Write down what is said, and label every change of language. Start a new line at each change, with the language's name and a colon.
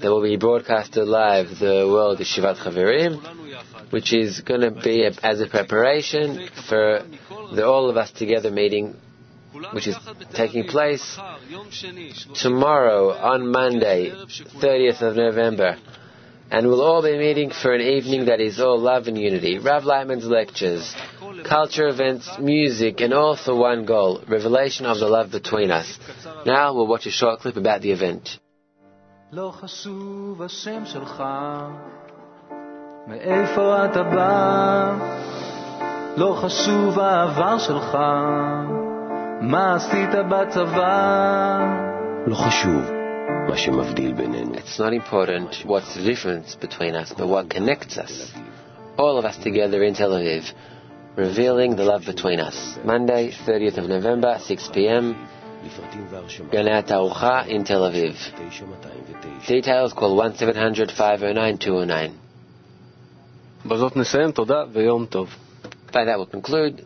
English: There will be broadcasted live the World Yeshivat Chavirim, which is going to be as a preparation for the All of Us Together meeting, which is taking place tomorrow on Monday, 30th of November. And we'll all be meeting for an evening that is all love and unity. Rav Lightman's lectures, culture events, music, and all for one goal, revelation of the love between us. Now we'll watch a short clip about the event.
Hebrew: לא חשוב השם שלך, מאיפה אתה בא? לא חשוב העבר שלך, מה עשית בצבא? לא חשוב מה שמבדיל בינינו.
English: It's not important what's the difference between us, but what connects us. All of us together in Tel Aviv, revealing the love between us. Monday, 30th of November, 6 p.m. Gan HaTaruchah in Tel Aviv. Details, call 1-700-509-209. By that we'll conclude.